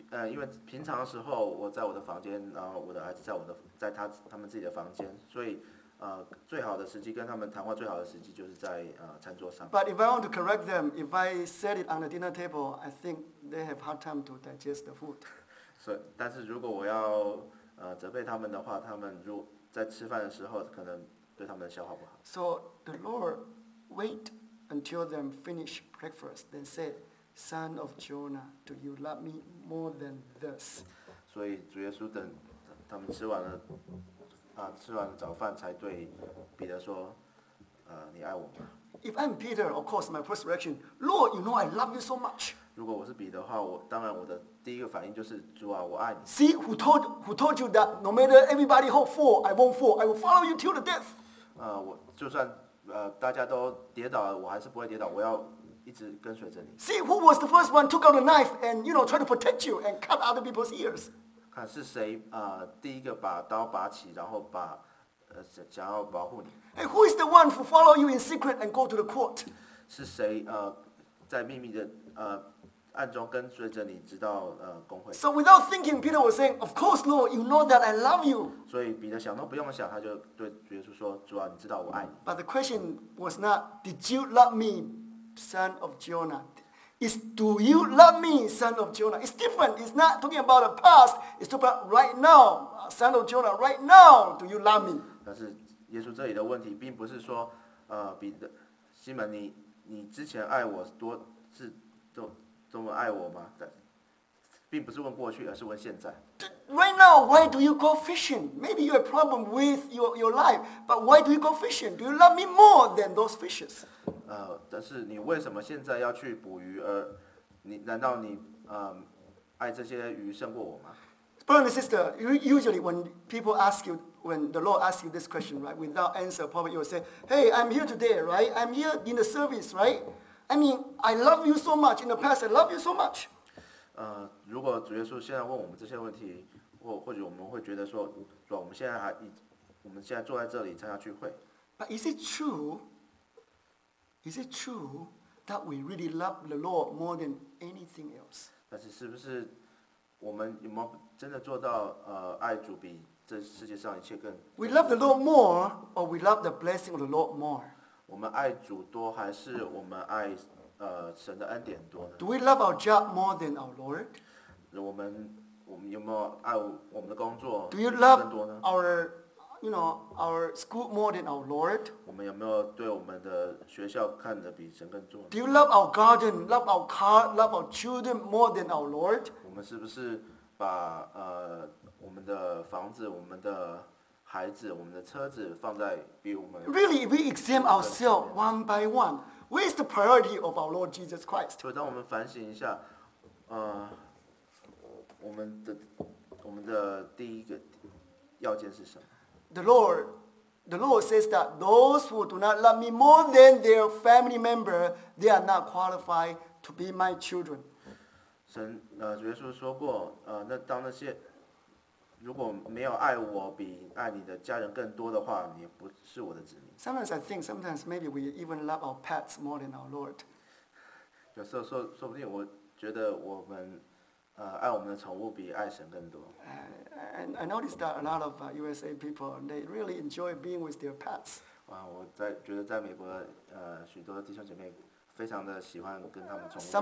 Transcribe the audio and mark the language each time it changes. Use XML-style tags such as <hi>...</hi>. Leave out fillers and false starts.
<zh>因为平常的时候我在我的房间，然后我的孩子在我的在他们自己的房间，所以最好的时机跟他们谈话最好的时机就是在餐桌上。</zh> <en>But if I want to correct them, if I set it on the dinner table, I think they have hard time to digest the food.</en> <zh>但是如果我要责备他们的话，他们如在吃饭的时候可能对他们的消化不好。</zh> <en>So the Lord wait until them finish breakfast, then said. Son of Jonah, do you love me more than this?</en> <zh>所以主耶稣等他们吃完了早饭，才对彼得说，你爱我吗？</zh> <en>If I'm Peter, of course, my first reaction, Lord, you know I love you so much.</en> <zh>如果我是彼得的话，我当然我的第一个反应就是主啊，我爱你。</zh> <en>See who told you that no matter everybody hope fall, I won't fall. I will follow you till the death.</en> <zh>我就算大家都跌倒了，我还是不会跌倒。我要一直跟随着你。</zh> <en>See who was the first one took out a knife and you know try to protect you and cut other people's ears.</en> <zh>看是谁第一个把刀拔起，然后把想要保护你。</zh> <en>And who is the one who follow you in secret and go to the court?</en> <zh>是谁在秘密的暗中跟随着你，直到公会。</zh> <en>So without thinking, Peter was saying, "Of course, Lord, you know that I love you."</en> <zh>所以彼得想都不用想，他就对耶稣说：“主啊，你知道我爱你。”</zh> <en>But the question was not, "Did you love me?" Son of Jonah, is do you love me, son of Jonah? It's different. It's not talking about the past. It's talking about right now, son of Jonah. Right now, do you love me?</en> <zh>但是耶稣这里的问题并不是说，彼得、西门，你之前爱我多是多么爱我吗？并不是问过去，而是问现在。</zh> <en>Right now, why do you go fishing? Maybe you have a problem with your life, but why do you go fishing? Do you love me more than those fishes?</en> <zh>但是你为什么现在要去捕鱼？难道你爱这些鱼胜过我吗</zh> <en>？Brother and sister, usually when people ask you, when the Lord asks you this question, right, without answer, probably you'll say, "Hey, I'm here today, right? I'm here in the service, right? I mean, I love you so much. In the past, I love you so much."</en> <zh>如果主耶稣现在问我们这些问题，或者我们会觉得说，主，我们现在我们现在坐在这里参加聚会。</zh> <en>But is it true? Is it true that we really love the Lord more than anything else?</en> <zh>但是是不是我们有没有真的做到爱主比这世界上一切更</zh> <en>？We love the Lord more, or we love the blessing of the Lord more?</en> <zh>我们爱主多，还是我们爱神的恩典多呢</zh> <en>？Do we love our job more than our Lord?</en> <zh>我们有没有爱我们的工作</zh> <en>？Do you love our school more than our Lord?</en> <zh>我们有没有对我们的学校看得比神更重</zh> <en>？Do you love our garden, love our car, love our children more than our Lord?</en> <zh>我们是不是把我们的房子、我们的孩子、我们的车子放在比我们</zh> <en>？Really, we examine ourselves one by one. Where is the priority of our Lord Jesus Christ?</en> <zh>所以，当我们反省一下，我们的第一个要件是什么？</zh> <en>The Lord says that those who do not love me more than their family member, they are not qualified to be my children.</en> <zh>神，主耶稣说过，那当那些如果没有爱我比爱你的家人更多的话，你不是我的子民。</zh> <en>Sometimes I think, sometimes maybe we even love our pets more than our Lord.</en> <zh>有时候说不定我觉得我们。爱我们的宠物比爱神更多。</zh> <en>I noticed that a lot of USA people, they really enjoy being with their pets.</en> <zh>我觉得在美国，许多弟兄姐妹非常的喜欢跟他们宠物。</zh>